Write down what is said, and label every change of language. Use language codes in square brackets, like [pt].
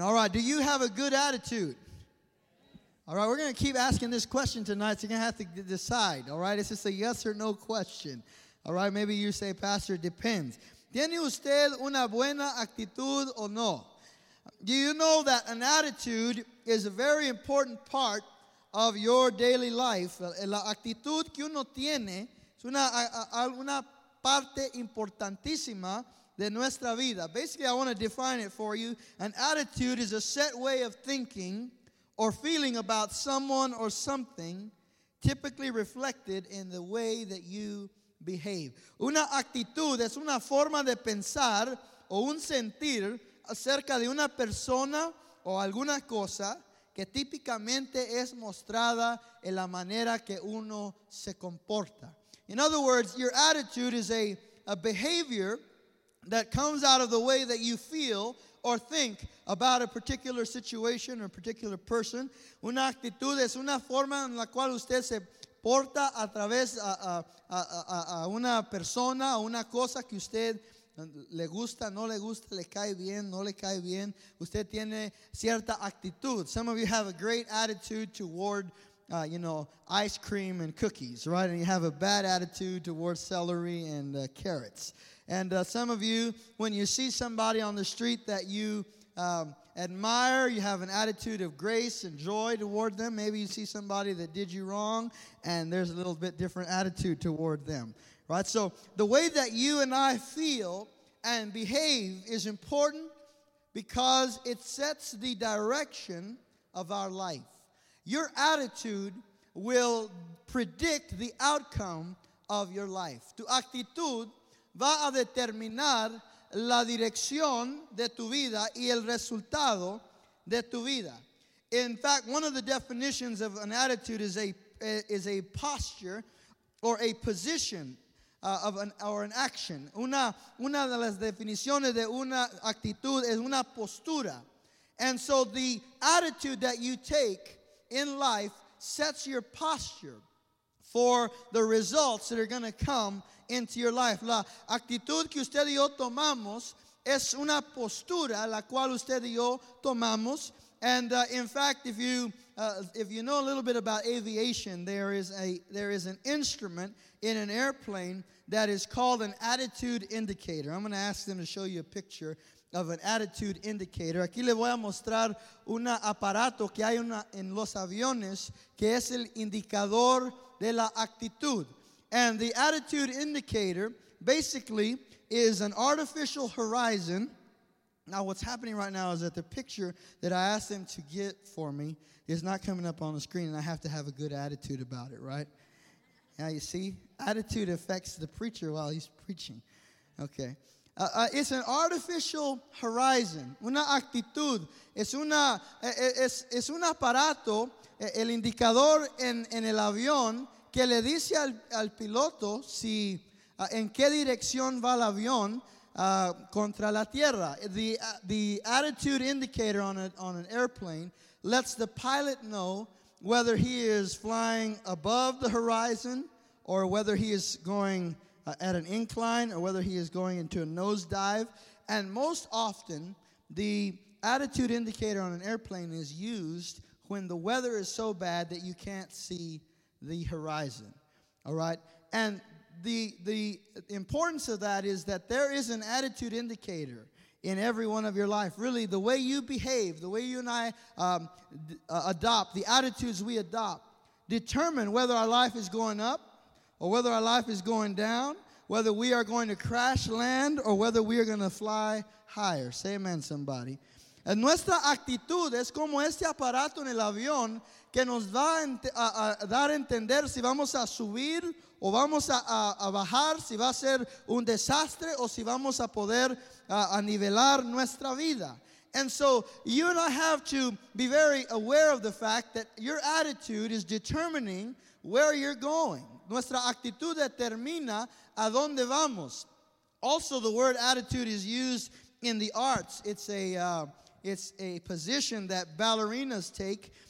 [en] All right. Do you have a good attitude? All right, we're going to keep asking this question tonight, so you're going to have to decide, all right? It's just a yes or no question, all right? Maybe you say, Pastor, it depends. [es] ¿Tiene usted una buena actitud o no? [en] Do you know that an attitude is a very important part of your daily life? [es] La actitud que uno tiene es una parte importantísima de nuestra vida. [en] Basically, I want to define it for you. An attitude is a set way of thinking or feeling about someone or something, typically reflected in the way that you behave. [es] Una actitud es una forma de pensar o un sentir acerca de una persona o alguna cosa que típicamente es mostrada en la manera que uno se comporta. [en] In other words, your attitude is a behavior that comes out of the way that you feel or think about a particular situation or a particular person. [es] Una actitud es una forma en la cual usted se porta a través a una persona o una cosa que usted le gusta, no le gusta, le cae bien, no le cae bien. Usted tiene cierta actitud. [en] Some of you have a great attitude toward, ice cream and cookies, right? And you have a bad attitude toward celery and carrots. And some of you, when you see somebody on the street that you admire, you have an attitude of grace and joy toward them. Maybe you see somebody that did you wrong, and there's a little bit different attitude toward them, right? So the way that you and I feel and behave is important because it sets the direction of our life. Your attitude will predict the outcome of your life. [es] Tu actitud va a determinar la dirección de tu vida y el resultado de tu vida. [en] In fact, one of the definitions of an attitude is a posture or a position of an action. [es] Una de las definiciones de una actitud es una postura. [en] And so the attitude that you take in life sets your posture for the results that are going to come into your life. [es] La actitud que usted y yo tomamos es una postura la cual usted y yo tomamos. [en] And in fact, if you know a little bit about aviation, there is an instrument in an airplane that is called an attitude indicator. I'm going to ask them to show you a picture of an attitude indicator. [es] Aquí le voy a mostrar un aparato que hay en los aviones que es el indicador de la actitud. [en] And the attitude indicator basically is an artificial horizon. Now, what's happening right now is that the picture that I asked them to get for me is not coming up on the screen, and I have to have a good attitude about it, right? Now, you see, attitude affects the preacher while he's preaching. Okay. It's an artificial horizon. [es] Una actitud. Es un aparato, el indicador en el avión, que le dice al piloto si en qué dirección va el avión. Contra la tierra. [en] The attitude indicator on an airplane lets the pilot know whether he is flying above the horizon or whether he is going at an incline or whether he is going into a nosedive. And most often, the attitude indicator on an airplane is used when the weather is so bad that you can't see the horizon. All right? And the importance of that is that there is an attitude indicator in every one of your life. Really, the way you behave, the way you and I adopt, the attitudes we adopt, determine whether our life is going up or whether our life is going down, whether we are going to crash land or whether we are going to fly higher. Say amen, somebody. [es] And nuestra actitud es como este aparato en el avión que nos va a dar a entender si vamos a subir o vamos a bajar, si va a ser un desastre o si vamos a poder a nivelar nuestra vida. [en] And so you and I have to be very aware of the fact that your attitude is determining where you're going. [es] Nuestra actitud determina a dónde vamos. [en] Also, the word attitude is used in the arts. It's a position that ballerinas take.